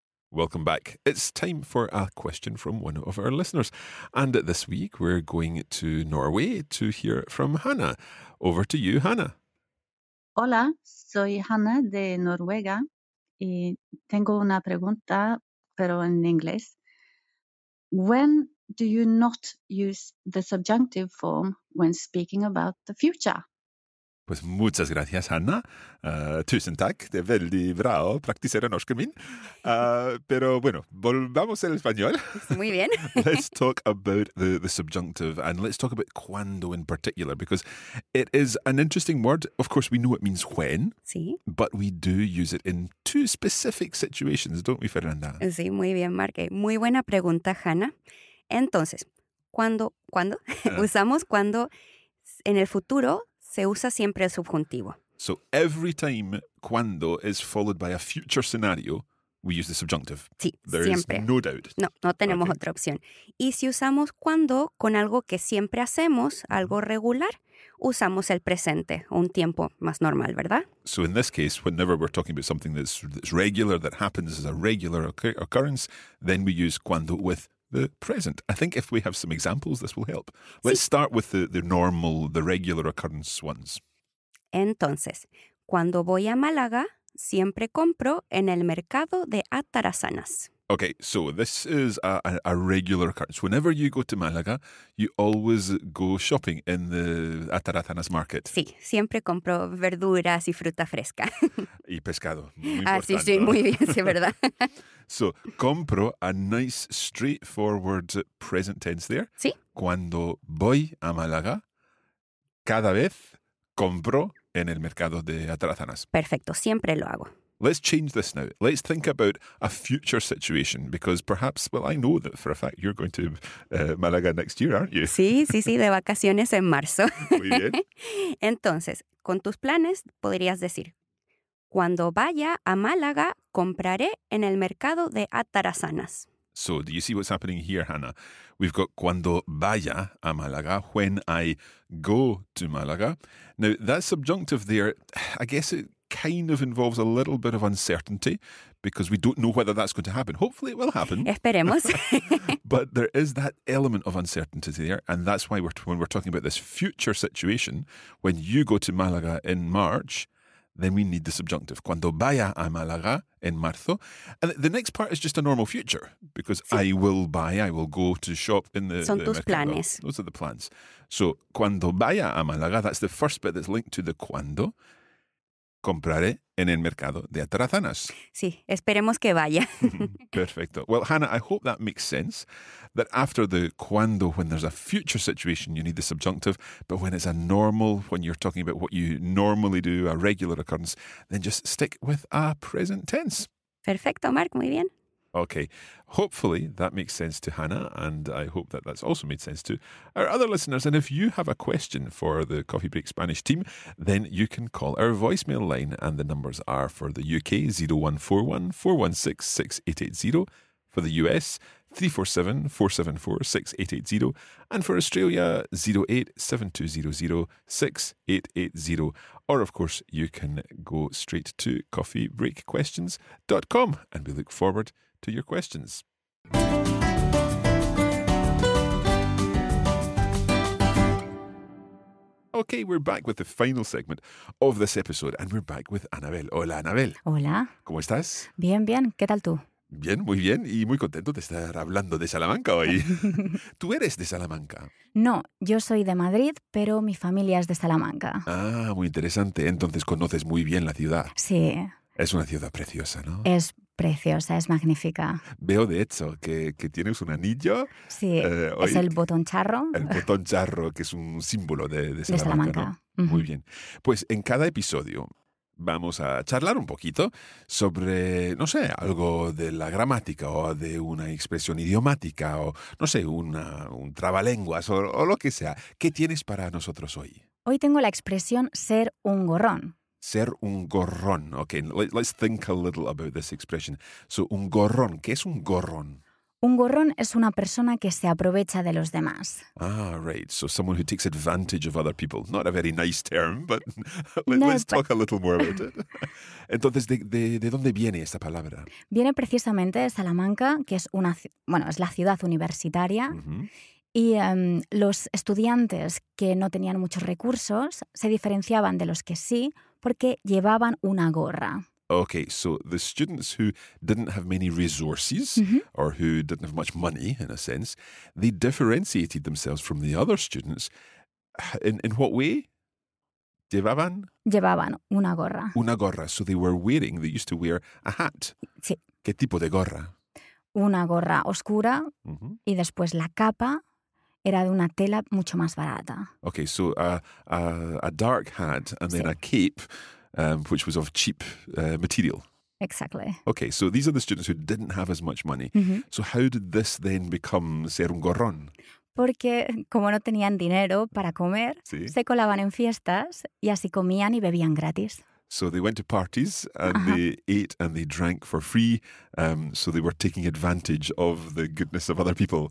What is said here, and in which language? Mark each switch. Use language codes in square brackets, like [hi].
[en] Welcome back. It's time for a question from one of our listeners. And this week we're going to Norway to hear from Hannah. Over to you, Hannah. [es] Hola, soy Hannah de Noruega y tengo una pregunta, pero en inglés. [en] When do you not use the subjunctive form when speaking about the future? [es] Pues muchas gracias, Hannah. [no] Tusen takk, det er veldig bra å praktisere norsken min. [es] Pero bueno, volvamos al español. Muy bien. [en] Let's talk about the subjunctive, and let's talk about cuando in particular, because it is an interesting word. Of course, we know it means when, [es] sí. [en] But we do use it in two specific situations, don't we, Fernanda? [es] Sí, muy bien, Marque. Muy buena pregunta, Hannah. Entonces, ¿cuándo? Usamos cuando en el futuro... Se usa siempre el subjuntivo. [en] So every time cuando is followed by a future scenario, we use the subjunctive. [es] Sí, [en] there [es] siempre. [en] Is no doubt. [es] No, no tenemos okay. otra opción. Y si usamos cuando con algo que siempre hacemos, algo regular, usamos el presente, un tiempo más normal, ¿verdad? [en] So in this case, whenever we're talking about something that's regular, that happens as a regular occurrence, then we use cuando with the present. I think if we have some examples, this will help. Let's sí. start with the normal, the regular occurrence ones. [es] Entonces, cuando voy a Málaga, siempre compro en el mercado de Atarazanas. [en] Okay, so this is a regular occurrence. Whenever you go to Málaga, you always go shopping in the Atarazanas market. [es] Sí, siempre compro verduras y fruta fresca. Y pescado. Sí, sí, muy bien, sí, verdad. [en] So, compro, a nice straightforward present tense there. [es] Sí. Cuando voy a Málaga, cada vez compro en el mercado de Atarazanas. Perfecto, siempre lo hago. [en] Let's change this now. Let's think about a future situation because perhaps, well, I know that for a fact you're going to Málaga next year, aren't you? [es] Sí, sí, sí, de vacaciones en marzo. Muy bien. Entonces, con tus planes podrías decir, cuando vaya a Málaga, compraré en el mercado de Atarazanas. [en] So, do you see what's happening here, Hannah? We've got [es] cuando vaya a Málaga, [en] when I go to Málaga. Now, that subjunctive there, I guess it kind of involves a little bit of uncertainty because we don't know whether that's going to happen. Hopefully it will happen. [es] Esperemos. [en] But there is that element of uncertainty there, and that's why when we're talking about this future situation, when you go to Málaga in March, then we need the subjunctive. [es] Cuando vaya a Málaga en marzo. [en] And the next part is just a normal future because sí. I will go to shop in the... [es] Son tus planes. [en] Those are the plans. So, [es] cuando vaya a Málaga, [en] that's the first bit that's linked to the cuando. [es] Compraré en el mercado de Atarazanas. Sí, esperemos que vaya. Perfecto. [en] Well, Hannah, I hope that makes sense, that after the cuando, when there's a future situation, you need the subjunctive, but when it's a normal, when you're talking about what you normally do, a regular occurrence, then just stick with a present tense. [es] Perfecto, Mark. Muy bien. [en] Okay. Hopefully that makes sense to Hannah, and I hope that that's also made sense to our other listeners. And if you have a question for the Coffee Break Spanish team, then you can call our voicemail line, and the numbers are for the UK 0141 416 6880, for the US 347 474 6880, and for Australia 0872006880. Or of course, you can go straight to coffeebreakquestions.com, and we look forward to your questions. Okay, we're back with the final segment of this episode, and we're back with Anabel. [es] Hola, Anabel. Hola. ¿Cómo estás? Bien, bien. ¿Qué tal tú? Bien, muy bien. Y muy contento de estar hablando de Salamanca hoy. ¿Tú eres de Salamanca? No, yo soy de Madrid, pero mi familia es de Salamanca. Ah, muy interesante. Entonces conoces muy bien la ciudad. Sí. Es una ciudad preciosa, ¿no? Es preciosa, es magnífica. Veo, de hecho, que tienes un anillo. Sí, es el botón charro. El botón charro, que es un símbolo de Salamanca. De Salamanca. ¿No? Uh-huh. Muy bien. Pues en cada episodio vamos a charlar un poquito sobre, no sé, algo de la gramática o de una expresión idiomática o, no sé, un trabalenguas o lo que sea. ¿Qué tienes para nosotros hoy? Hoy tengo la expresión ser un gorrón. Ser un gorrón. [en] Okay, let's think a little about this expression. So, un gorrón. [es] ¿Qué es un gorrón? Un gorrón es una persona que se aprovecha de los demás. [en] Ah, right. So someone who takes advantage of other people. Not a very nice term, but let's talk a little more about it. [es] Entonces, ¿de dónde viene esta palabra? Viene precisamente de Salamanca, que es una, bueno, es la ciudad universitaria. Uh-huh. Y los estudiantes que no tenían muchos recursos se diferenciaban de los que sí porque llevaban una gorra. [en] Okay, so the students who didn't have many resources, mm-hmm. or who didn't have much money, in a sense, they differentiated themselves from the other students. In what way? [es] Llevaban? Llevaban una gorra. Una gorra. [en] So they were wearing, they used to wear a hat. [es] Sí. ¿Qué tipo de gorra? Una gorra oscura, mm-hmm. y después la capa era de una tela mucho más barata. [en] Okay, so a dark hat and then sí. a cape. Which was of cheap material. Exactly. Okay, so these are the students who didn't have as much money. Mm-hmm. So how did this then become ser un gorrón? [es] Porque como no tenían dinero para comer, sí. se colaban en fiestas y así comían y bebían gratis. [en] So they went to parties and uh-huh. they ate and they drank for free. So they were taking advantage of the goodness of other people.